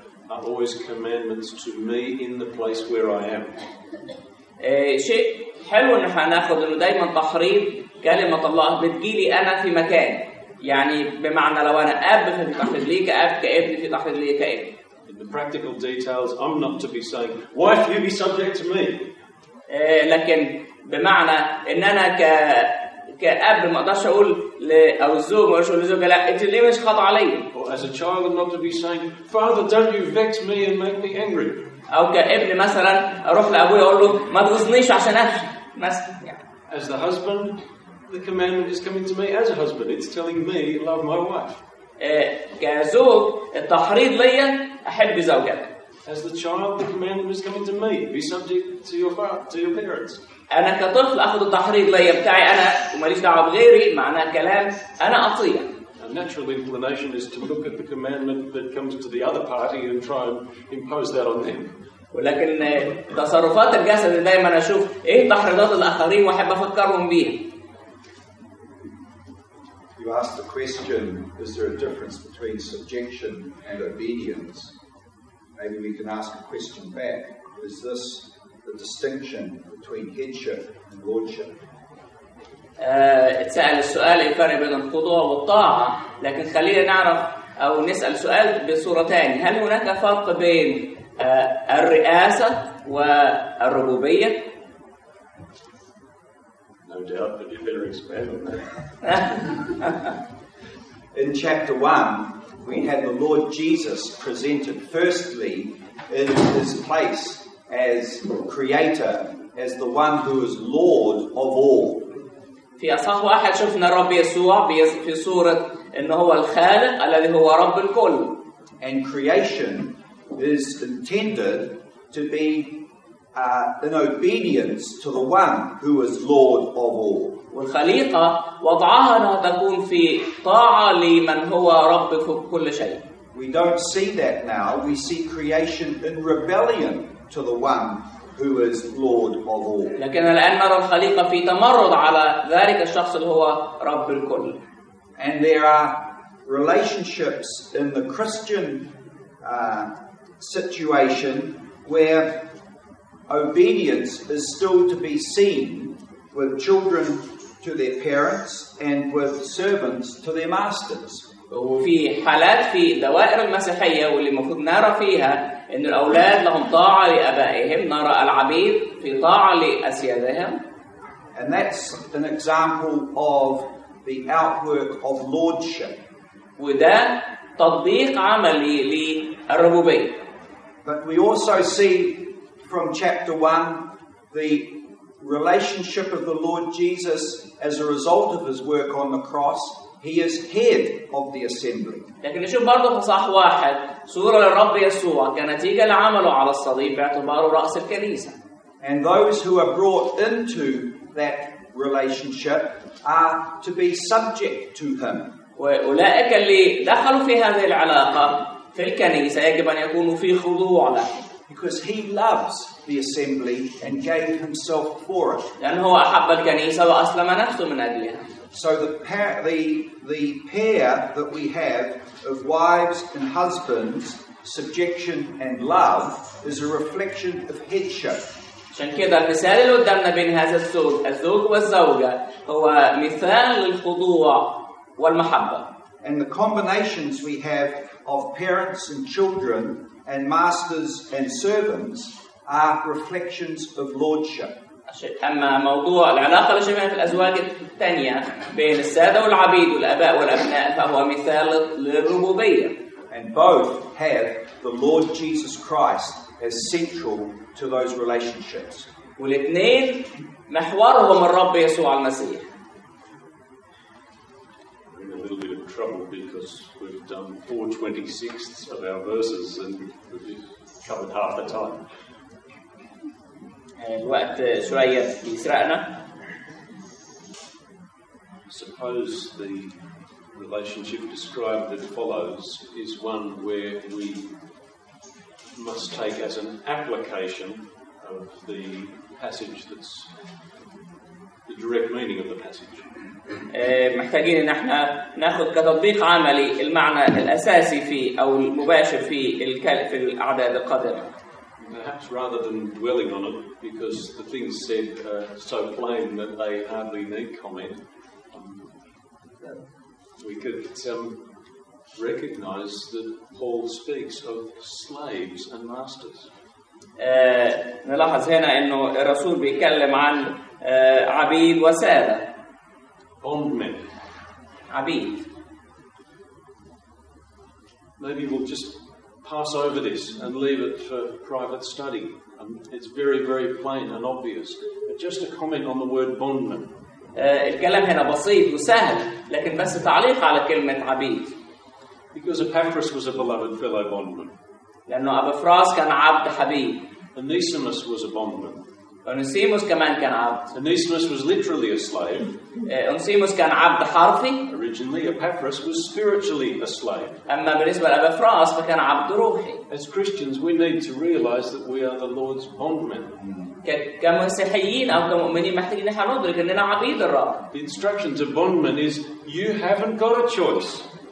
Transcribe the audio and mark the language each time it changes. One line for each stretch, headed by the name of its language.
English: Are always commandments to me in the place where I am.
Arabic: شيء حلو إن إحنا نأخذ إنه دائما تحريض كلمة الله بتجيلي أنا في مكان يعني بمعنى لو أنا أب في تحريض لي كأب كابن في تحريض لي كابن.
English: In the practical details, I'm not to be saying, "Why should you be subject to me?"
Arabic: لكن بمعنى إن أنا كأب ما أقدرش أقول أو الزوج ما أقدرش أقول للزوجة لا أنت ليه مش خاطئ علي؟
English: As a child, I'm not to be saying, "Father, don't you vex me and make me angry."
Arabic: أو كابن مثلا أروح لأبوي أقول له ما تغصنيش عشان أخي مثلا.
English: As the husband, the commandment is coming to me as a husband. It's telling me, love my wife.
Arabic: كزوج التحريض ليا أحب زوجتي.
English: As the child, the commandment is coming to me, be subject to your father, to your parents.
Arabic: أنا كطفل أخذ التحريض ليا بتاعي أنا وماليش دعوة بغيري معناه كلام أنا أطيع.
English: Natural inclination is to look at the commandment that comes to the other party and try and impose that on them.
Arabic: ولكن تصرفات الجسد دائما اشوف ايه تحريضات الاخرين واحب افكرهم بيها.
English: You asked the question, is there a difference between subjection and obedience? Maybe we can ask a question back. Is this the distinction between headship and lordship?
Arabic: اتسأل السؤال الفرق بين الخضوع والطاعة لكن خلينا نعرف أو نسأل سؤال بصورة تانية هل هناك فرق بين الرئاسة والربوبية؟
English: No doubt, but you better expand on that. In chapter 1 we had the Lord Jesus presented firstly in his place as creator as the one who is Lord of all.
Arabic: في أصحاح واحد شفنا الرب يسوع في صورة إنه هو الخالق الذي هو رب الكل.
English: And creation is intended to be in obedience to the one who is Lord of all.
Arabic: والخليقة وضعها أنها تكون في طاعة لمن هو رب في كل شيء.
English: We don't see that now. We see creation in rebellion to the one who is Lord of all.
Arabic: لكن الآن نرى الخليقة في تمرد على ذلك الشخص اللي هو رب الكل.
English: And there are relationships in the Christian situation where obedience is still to be seen with children to their parents and with servants to their masters.
Arabic: وفي حالات في دوائر المسيحية واللي المفروض نرى فيها إن الأولاد لهم طاعة لأبائهم نرى العبيد في طاعة لأسيادهم.
English: And that's an example of the outwork of lordship.
Arabic: وده تطبيق عملي للربوبية.
English: But we also see from chapter 1 the relationship of the Lord Jesus as a result of his work on the cross. He is head of the assembly.
Arabic: لكن نشوف برضو في صح واحد صورة للرب يسوع كنتيجة لعمله على الصليب باعتباره رأس الكنيسة.
English: And those who are brought into that relationship are to be subject to him.
Arabic: وأولئك اللي دخلوا في هذه العلاقة في الكنيسة يجب أن يكونوا في خضوع له.
English: Because he loves the assembly and gave himself for it.
Arabic: لأنه أحب الكنيسة وأسلم نفسه من أجلها.
English: So the pair that we have of wives and husbands, subjection and love, is a reflection of headship.
Arabic: عشان كده المثال اللي قدامنا بين هذا الزوج الزوج والزوجة هو مثال للخضوع والمحبة.
English: And the combinations we have of parents and children and masters and servants are reflections of lordship.
Arabic: أما موضوع العلاقة الجميلة في الأزواج الثانية بين السادة والعبيد والأباء والأبناء فهو مثال للربوبية.
English: And both have the Lord Jesus Christ as central to those relationships.
Arabic: والاثنين محورهم الرب يسوع المسيح.
English: We're in a little bit of trouble because we've done 4/26 of our verses and we've covered half the time.
Arabic: الوقت شوية بيسرقنا.
English: Suppose the relationship described that follows is one where we must take as an application of the passage that's the direct meaning of the passage.
Arabic: محتاجين ان احنا ناخد كتطبيق عملي المعنى الاساسي في او المباشر في في الاعداد القادمه.
English: Perhaps rather than dwelling on it because the things said are so plain that they hardly need comment, we could recognize that Paul speaks of slaves and masters.
Arabic: نلاحظ هنا انه الرسول بيتكلم عن عبيد وسادة.
English: Bondmen.
Arabic: عبيد.
English: Maybe we'll just pass over this and leave it for private study. It's very, very plain and obvious. But just a comment on the word bondmen.
Arabic: الكلام هنا بسيط وسهل لكن بس تعليق على كلمة عبيد.
English: Because Epaphras was a beloved fellow bondman.
Arabic: لأنه أبافراس كان عبد حبيب.
English: Onesimus was a bondman.
Arabic: Onesimus كمان كان عبد.
English: Onesimus was literally a slave.
Arabic: Onesimus كان عبد حرفي.
English: Originally, Epaphras was spiritually a slave.
Arabic: أما بالنسبة لأبافراس فكان عبد روحي.
English: As Christians, we need to realize that we are the Lord's bondmen.
Arabic: كمسيحيين أو كمؤمنين محتاجين نحن ندرك أننا عبيد الرب.
English: The instructions of bondmen is you haven't got a choice.